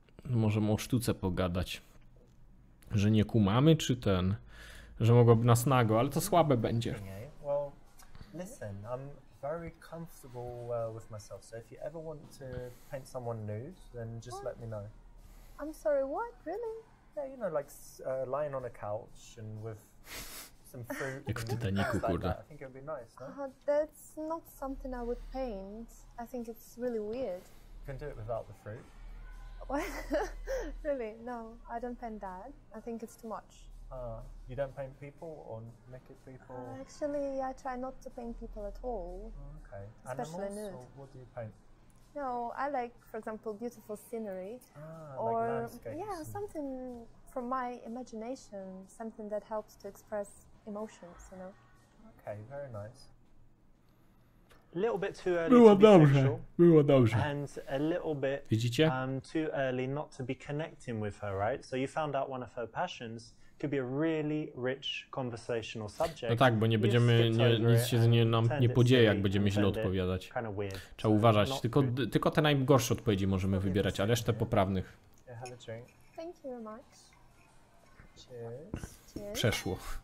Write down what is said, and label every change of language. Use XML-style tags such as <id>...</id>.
<pl>Możemy o sztuce pogadać, że nie kumamy, czy ten, że mogłaby nas nago, ale to słabe będzie.</pl> <en>Well, listen, I'm very comfortable with myself, so if you ever want to paint someone nude, then just let me know. I'm sorry, what? Really? Yeah, you know, like lying on a couch and with some fruit.</en> <pl>Jak w Titaniku, kurde.</pl> <en>I think it would be nice, no? That's not something I would paint. I think it's really weird. You can do it without the fruit. What? Really? No, I don't paint that. I think it's too much. You don't paint people or naked people? Actually, I try not to paint people at all. Okay. Especially animals, nude. Or what do you paint? No, I like, for example, beautiful scenery. Ah, or, like landscapes. Yeah, something from my imagination, something that helps to express emotions, you know? Okay, very nice.</en> <pl>Było dobrze, było dobrze.</pl> <en>And a little bit,</en> <pl>widzicie?</pl> <en>Too early not to be connecting with her, right? So you found out one of her passions could be a really rich conversational subject.</en> <pl>No tak, bo nie będziemy, nic się nam nie podzieje, jak będziemy źle odpowiadać. Trzeba uważać. Tylko te najgorsze odpowiedzi możemy wybierać, a resztę poprawnych.</pl> <en>Thank you very much. Cheers.</en> <pl>Przeszło.</pl>